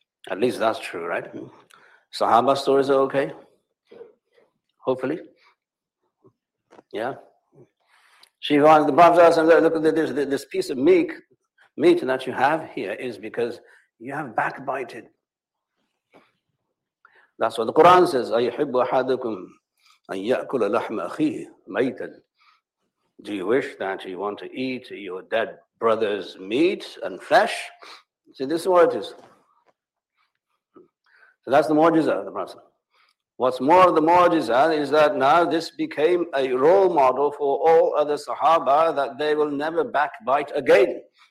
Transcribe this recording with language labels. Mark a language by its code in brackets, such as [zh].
[en] At least that's true, right? Sahaba stories are okay? Hopefully. Yeah? She finds the Prophet, "Look at this piece of meat. meat that you have here is because you have backbited. That's what the Quran says, [ar] أَيُحِبُّ أَحَدُكُمْ أَن يَأْكُلَ لَحْمَ أَخِيهِ مَيْتًا. [en] Do you wish that you want to eat your dead brother's meat and flesh? See, this is what it is. So that's the mu'jiza of the Prophet. What's more, the mu'jiza is that now this became a role model for all other Sahaba that they will never backbite again.